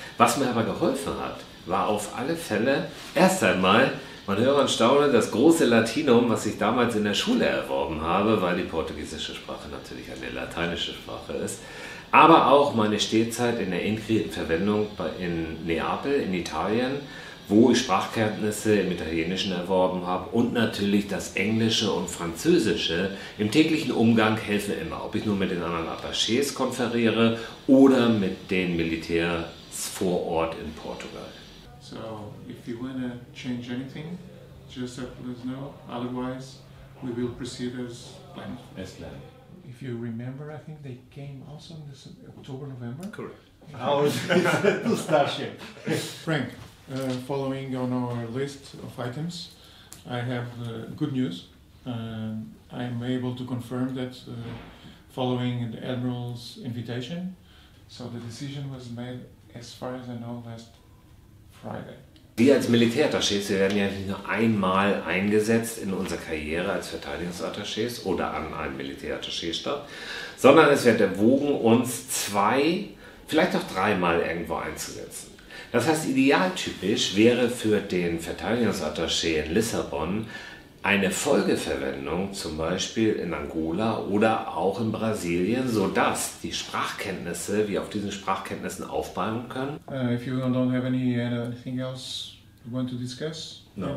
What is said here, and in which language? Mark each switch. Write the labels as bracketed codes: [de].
[de] Was mir aber geholfen hat, war auf alle Fälle erst einmal, man höre und staune, das große Latinum, was ich damals in der Schule erworben habe, weil die portugiesische Sprache natürlich eine lateinische Sprache ist, aber auch meine Stehzeit in der integrierten Verwendung in Neapel, in Italien, wo ich Sprachkenntnisse im Italienischen erworben habe und natürlich das Englische und Französische im täglichen Umgang helfen immer. Ob ich nur mit den anderen Attachés konferiere oder mit den Militärs vor Ort in Portugal. [en] So, if you want to change anything, just let us know. Otherwise, we will proceed as planned. As planned. If you remember, I think they came also in this October, November? Correct. How is it to start here? Frank. Following on our list of items, I have good news. I am able to confirm that following the Admiral's invitation, so the decision was made, as far as I know, last Friday. [de] Wir als Militärattachés, wir werden ja nicht nur einmal eingesetzt in unserer Karriere als Verteidigungsattachés oder an einem Militärattaché-Stab, sondern es wird erwogen, uns 2, vielleicht auch 3-mal irgendwo einzusetzen. Das heißt, idealtypisch wäre für den Verteidigungsattaché in Lissabon eine Folgeverwendung, zum Beispiel in Angola oder auch in Brasilien, sodass die Sprachkenntnisse, wir auf diesen Sprachkenntnissen aufbauen können. [en] If you don't have anything else you want to discuss, no.